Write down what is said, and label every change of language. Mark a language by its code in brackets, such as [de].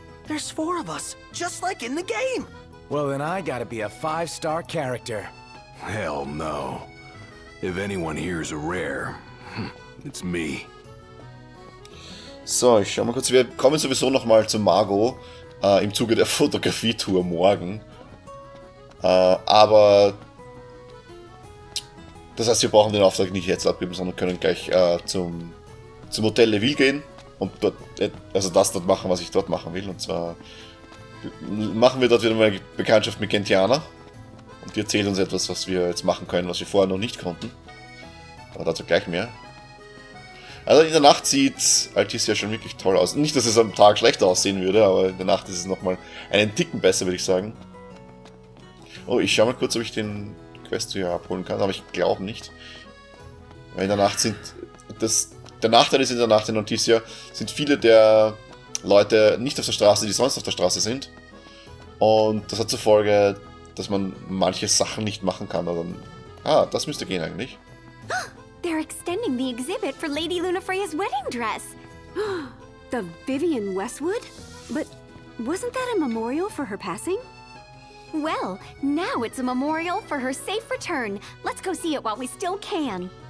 [en] There's four of us, just like in the game. Well, then I gotta be a five-star character. Hell no. If anyone here is a rare, it's me. [de] So, ich schau mal kurz. Wir kommen sowieso nochmal zu Margo im Zuge der Fotografietour morgen. Aber das heißt, wir brauchen den Auftrag nicht jetzt abgeben, sondern können gleich zum Hotel Leville gehen und dort, also das dort machen, was ich dort machen will. Und zwar machen wir dort wieder mal eine Bekanntschaft mit Gentiana und die erzählt uns etwas, was wir jetzt machen können, was wir vorher noch nicht konnten. Aber dazu gleich mehr. Also in der Nacht sieht Altis ja schon wirklich toll aus. Nicht, dass es am Tag schlechter aussehen würde, aber in der Nacht ist es nochmal einen Ticken besser, würde ich sagen. Oh, ich schau mal kurz, ob ich den Quest hier abholen kann, aber ich glaube nicht. Weil in der Nacht sind... Der Nachteil ist in der Nacht in Noticia, sind viele der Leute nicht auf der Straße, die sonst auf der Straße sind. Und das hat zur Folge, dass man manche Sachen nicht machen kann. Oder, ah, das müsste gehen eigentlich. [en] They're extending the exhibit for Lady Lunafreya's wedding dress. The Vivian Westwood? But wasn't that a memorial for her passing? Well, now it's a memorial for her safe return. Let's go see it while we still can.